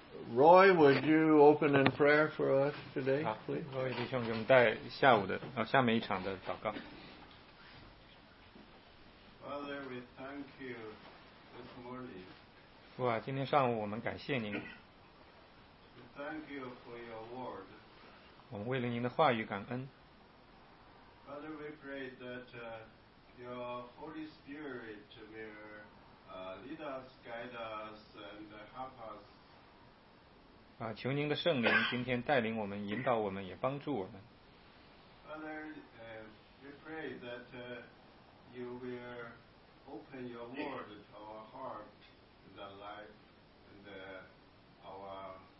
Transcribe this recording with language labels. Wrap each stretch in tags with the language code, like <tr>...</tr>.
<en>Roy, would you open in prayer for us today, please?</en> <zh>好，各位弟兄给我们带下午的下面一场的祷告。</zh> <en>Father, we thank you this morning.</en> <zh>哇，今天上午我们感谢您。</zh> <en>Thank you for your word.</en> <zh>我们为了您的话语感恩。</zh> <en>Father, we pray that your Holy Spirit may lead us, guide us, and help us.</en> <zh>求您的圣灵今天带领我们，引导我们，也帮助我们。</zh> <en>Father, we pray that you will open your word to our heart, the life, and our.</en>